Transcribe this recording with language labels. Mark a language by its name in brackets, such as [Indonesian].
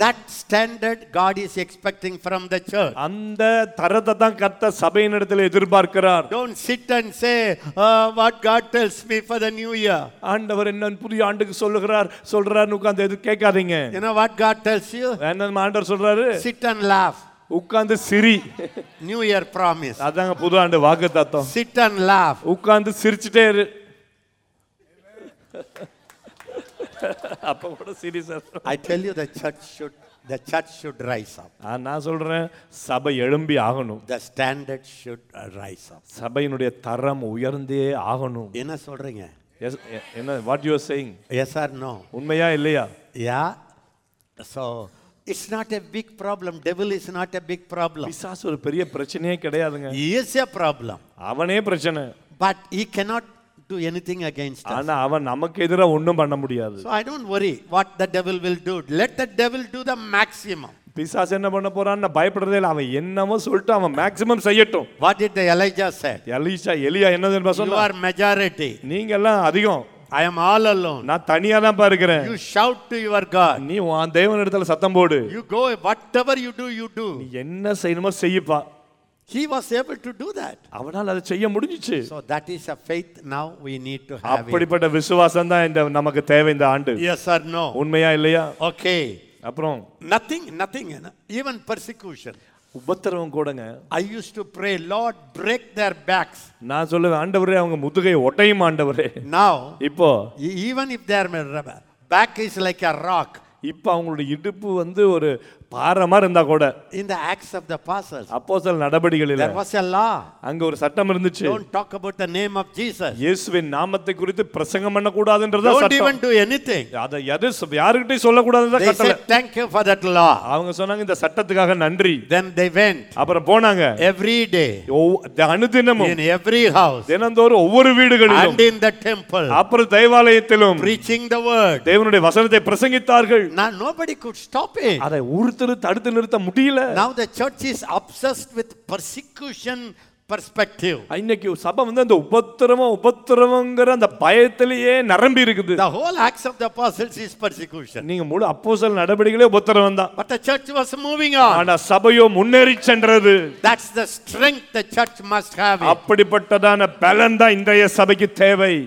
[English] That standard God is expecting from the church. [Tamil] அந்த தரத்தை தான் கர்த்தர் சபையின் இடத்துல எதிர்பார்க்கிறார். [English] Don't sit and say what God tells me for the new year. [Tamil] ஆண்டவர் புதிய ஆண்டுக்கு சொல்லுகிறார் சொல்றாரு கேட்காதீங்க. [English] You know what God tells you? [Tamil] என்ன ஆண்டவர் சொல்றாரு? [English] Sit and laugh. [Tamil] உட்கார்ந்து சிரி. [English] New year promise. [Tamil] அதாங்க புது ஆண்டு வாக்குத்தத்தம். [English] Sit and laugh. [Tamil] உட்கார்ந்து சிரிச்சிட்டே இரு. அப்ப கூட சிரி sir. [English] I tell you the church should rise up. [Tamil] நான் சொல்றேன் சபை எழும்பி ஆகணும். [English] The standard should rise up. [Tamil] சபையினுடைய தரம் உயர்ந்தே ஆகணும். என்ன சொல்றீங்க? [English] Yes, what you are saying? Yes or no? உண்மையா இல்லையா? Yeah. So It's not a big problem. Devil is not a big problem. [Tamil] பிசாசு ஒரு பெரிய பிரச்சனையே கிடையாதுங்க. [English] He is a problem. [Tamil] அவனே பிரச்சனை. [English] But he cannot do anything against us. [Tamil] ஆனா அவன் நமக்கு எதிராக ஒண்ணும் பண்ண முடியாது. [English] So I don't worry what the devil will do. Let the devil do the maximum. [Tamil] பிசாசு என்ன பண்ண போறான்னு பயப்படுறதே இல்லை. அவன் என்னமோ சொல்லிட்டு அவன் மேக்ஸிமம் செய்யட்டும். [English] What did the Elijah say? [Tamil] எலியா எலியா என்ன சொன்னா? [English] You are majority. [Tamil] நீங்க எல்லாம் அதிகம். [English] I am all alone. [Tamil] நான் தனியா தான் பார்க்கிறேன். [English] You shout to your God. [Tamil] நீ உன் தேவன் இடத்துல சத்தம் போடு. [English] You go whatever you do. [Tamil] நீ என்ன செய்யணுமோ செய்யப்பா. [English] He was able to do that. [Tamil] அவனால அதை செய்ய முடிஞ்சிச்சு. [English] So that is a faith now we need to have. [Tamil] அப்படிப்பட்ட விசுவாசம் தான் இந்த நமக்கு தேவை இந்த ஆண்டு. [English] Yes or no? [Tamil] உண்மையா இல்லையா? [English] Okay. [Tamil] அப்புறம் [English] nothing even persecution. [Tamil] உபத்திரவம் கூடங்க. [English] I used to pray, Lord, break their backs. [Tamil] நான் சொல்லுவேன், ஆண்டவரே அவங்க முதுகை ஒட்டையும் ஆண்டவரே. [English] Now, [Tamil] இப்போ [English] even if their back is like a rock. [Tamil] இப்போ அவங்களோட இடுப்பு வந்து ஒரு பாறை மாதிரி இருந்தா கூட. [English] In the acts of the apostles. [Tamil] அப்போஸ்தல நடபடிகளில. [English] There was a law. [Tamil] அங்க ஒரு சட்டம் இருந்துச்சு. [English] Don't talk about the name of Jesus. [Tamil] இயேசுவின் நாமத்தை குறித்து பிரசங்கம் பண்ண கூடாதுன்றது சட்டம். [English] Don't even do anything. [Tamil] அதை யாரு யார்கிட்டயும் சொல்ல கூடாதுன்றது கட்டளை. [English] They said thank you for that law. [Tamil] அவங்க சொன்னாங்க இந்த சட்டத்துக்காக நன்றி. [English] Then they went. [Tamil] அப்புறம் போனாங்க. [English] Every day. [Tamil] அனுதினமும். [English] In every house. [Tamil] தினந்தோறும் ஒவ்வொரு வீடுகளிலும். [English] And in the temple. [Tamil] அப்புறம் தேவாலயத்திலும். [English] Preaching the word. [Tamil] தேவனுடைய வசனத்தை பிரசங்கித்தார்கள். [English] Now nobody could stop it. [Tamil] அதை ஊர்த்துரு தடுத்து நிறுத்த முடியல. [English] Now the church is obsessed with persecution perspective. [Tamil] ஐன்னைக்கு சபை வந்து அந்த உபத்திரவம் உபத்திரவங்கற அந்த பயத்திலேயே நரம்பி இருக்குது. [English] The whole acts of the apostles is persecution. [Tamil] நீங்க மூள அப்போஸ்தல நடபடிகளே உபத்திரவம்தான். [English] But the church was moving on. [Tamil] ஆனா சபையோ முன்னேறி சென்றது. [English] That's the strength the church must have. [Tamil] அப்படிப்பட்டதான பலன் தான் இந்த சபைக்கு தேவை.